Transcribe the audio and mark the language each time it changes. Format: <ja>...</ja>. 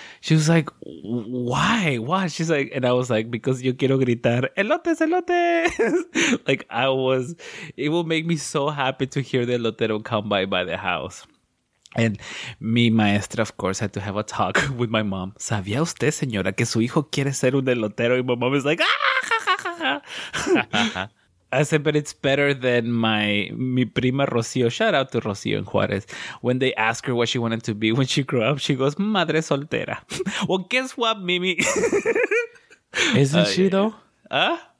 <en>She was like, why? Why? She's like, and I was like, because</en> <es>yo quiero gritar, elotes, elotes.</es> <en>Like it will make me so happy to hear the elotero come by the house. And</en> <es>mi maestra,</es> <en>of course, had to have a talk with my mom.</en> <es>¿Sabía usted, señora, que su hijo quiere ser un elotero?</es> <en>And my mom is like, ah! I said, but it's better than</en> <es>mi prima</es> <en>Rocío. Shout out to Rocío and Juárez. When they ask her what she wanted to be when she grew up, she goes,</en> <es>madre soltera.</es> <en>Well, guess what, Mimi? Isn't she, though? Huh?</en>